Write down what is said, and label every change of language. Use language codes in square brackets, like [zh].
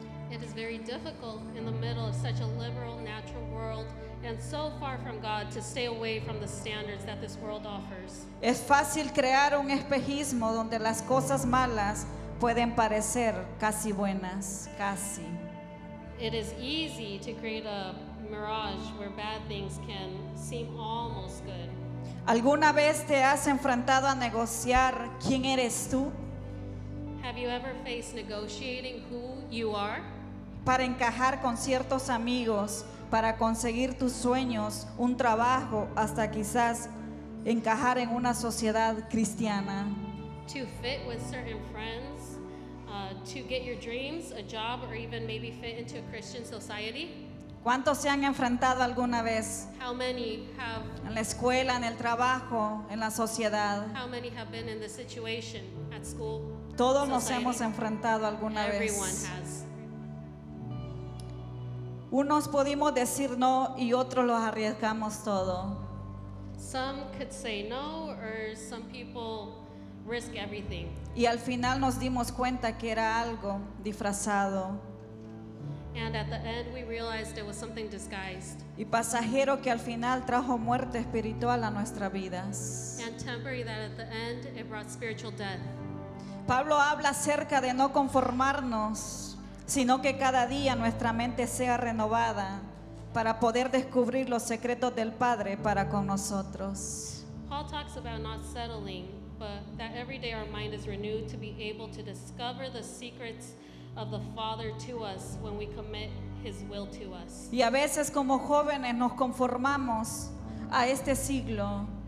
[en] It is very difficult in the middle of such a liberal, natural world and so far from God to stay away from the standards that this world offers. [es] Es fácil crear un espejismo donde las cosas malas pueden parecer casi buenas, casi. [en] It is easy to create a mirage where bad things can seem almost good. [es] ¿Alguna vez te has enfrentado a negociar quién eres tú? [en] Have you ever faced negotiating who you are? [es] Para encajar con ciertos amigos, para conseguir tus sueños, un trabajo, hasta quizás encajar en una sociedad cristiana. [en] To fit with certain friends, to get your dreams, a job, or even maybe fit into a Christian society. [es] ¿Cuántos se han enfrentado alguna vez? [en] How many have, [es] en la escuela, en el trabajo, en la sociedad. [en] How many have been in the situation at school, [es] todos society. Nos hemos enfrentado alguna [en] Everyone [es] vez. [en] Has. [es] Unos pudimos decir no y otros los arriesgamos todo. [en] Some could say no or some people risk everything. [es] Y al final nos dimos cuenta que era algo disfrazado. [en] And at the end we realized it was something disguised. [es] Y pasajero que al final trajo muerte espiritual a nuestras vidas. [en] And temporary that at the end it brought spiritual death. [es] Pablo habla acerca de no conformarnos, sino que cada día nuestra mente sea renovada para poder descubrir los secretos del Padre para con nosotros. [en] Paul talks about not settling, but that every day our mind is renewed to be able to discover the secrets of the Father to us when we commit His will to us. [es] Y a veces como jóvenes nos conformamos a este siglo.